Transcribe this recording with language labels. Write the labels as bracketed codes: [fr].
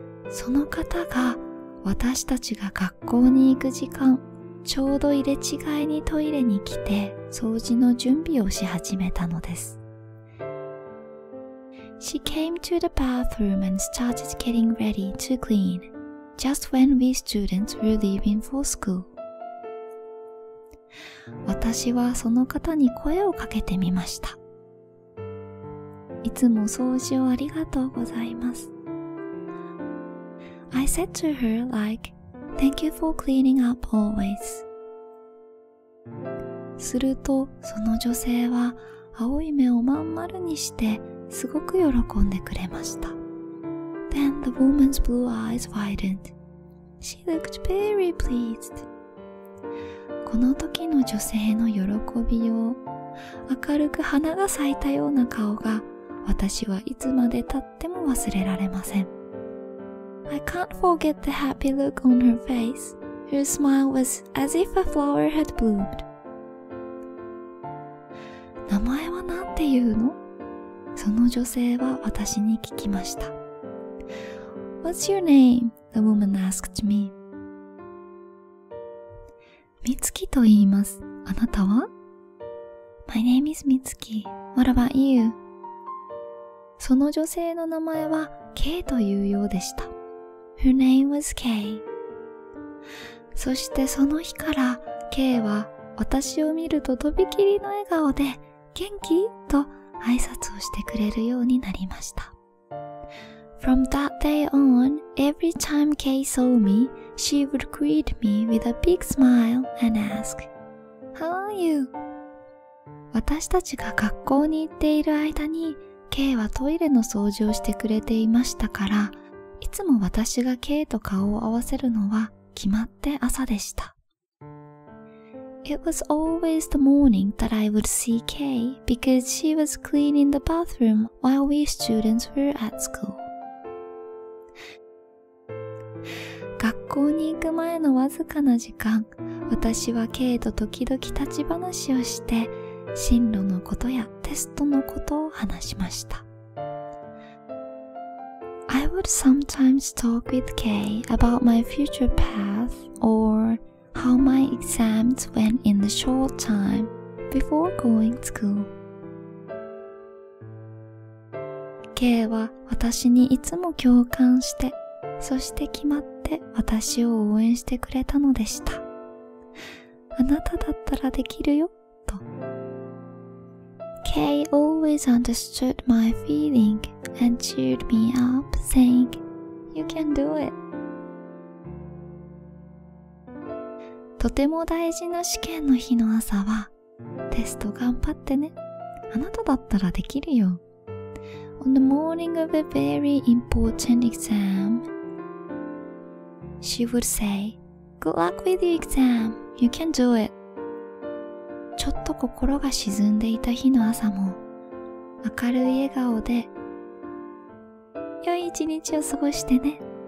[ja] その方が私たちが学校に行く時間、ちょうど入れ違いにトイレに来て、掃除の準備をし始めたのです。 [en] She came to the bathroom and started getting ready to clean, just when we students were leaving for school. [ja] 私はその方に声をかけてみました。いつも掃除をありがとうございます。 [en] I said to her, like, thank you for cleaning up always. [ja] すると、その女性は、青い目をまん丸にして、すごく喜んでくれました。 [en] Then the woman's blue eyes widened. She looked very pleased. [ja] この時の女性の喜びよう、明るく花が咲いたような顔が、私はいつまで経っても忘れられません。 [en] I can't forget the happy look on her face. Her smile was as if a flower had bloomed. [ja] 名前はなんて言うの? その女性は私に聞きました。 [en] What's your name? The woman asked me. [ja] みつきと言います。あなたは? [en] My name is Mitsuki. What about you? [ja] その女性の名前は K というようでした。 [en] Her name was Kay. [ja] そしてその日から、K は私を見るととびきりの笑顔で、元気? と挨拶をしてくれるようになりました。 [en] From that day on, every time Kay saw me, she would greet me with a big smile and ask, How are you? [ja] 私たちが学校に行っている間に、K はトイレの掃除をしてくれていましたから、いつも私が K と顔を合わせるのは決まって朝でした。 [en] It was always the morning that I would see Kay because she was cleaning the bathroom while we students were at school. [ja] 学校に行く前のわずかな時間、私は Kay と時々立ち話をして、進路のことやテストのことを話しました。 [en] I would sometimes talk with Kay about my future path or how my exams went in the short time before going to school. [ja] Kay は私にいつも共感して、そして決まって私を応援してくれたのでした。あなただったらできるよ、と。 [en] Kay always understood my feeling and cheered me up, saying, You can do it. [ja] とても大事な試験の日の朝は、テスト頑張ってね。あなただったらできるよ。 [en] On the morning of a very important exam, she would say, Good luck with your exam. You can do it. [ja] ちょっと心が沈んでいた日の朝も、明るい笑顔で、良い一日を過ごしてね。